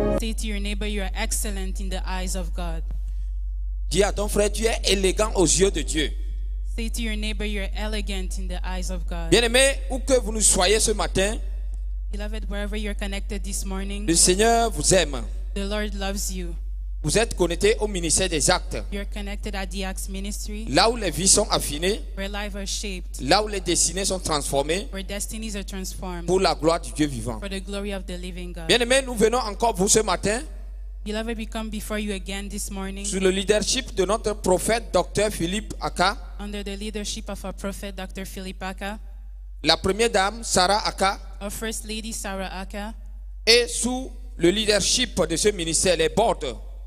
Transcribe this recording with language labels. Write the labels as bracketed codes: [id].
[en] Say to your neighbor, you are excellent in the eyes of God. [fr] Dis à ton frère, tu es élégant aux yeux de Dieu. [en] Say to your neighbor, you are elegant in the eyes of God. [fr] Bien-aimé, où que vous nous soyez ce matin, [en] beloved, wherever you are connected this morning, [fr] le Seigneur vous aime. [en] The Lord loves you. [fr] Vous êtes connecté au ministère des actes. [en] You are connected at the Acts ministry. [fr] Là où les vies sont affinées. [en] Where lives are shaped. [fr] Là où les destinées sont transformées. [en] Where destinies are transformed. [fr] Pour la gloire du Dieu vivant. [en] For the glory of the living God. [fr] Bien-aimé, nous venons encore vous ce matin. [en] Beloved, we come before you again this morning. [fr] Sous le leadership de notre prophète, Dr. Philippe Ackah. [en] Under the leadership of our prophet, Dr. Philippe Ackah. [fr] La première dame, Sarah Ackah. [en] Our first lady, Sarah Ackah. [fr] Et sous le leadership de ce ministère, les boards.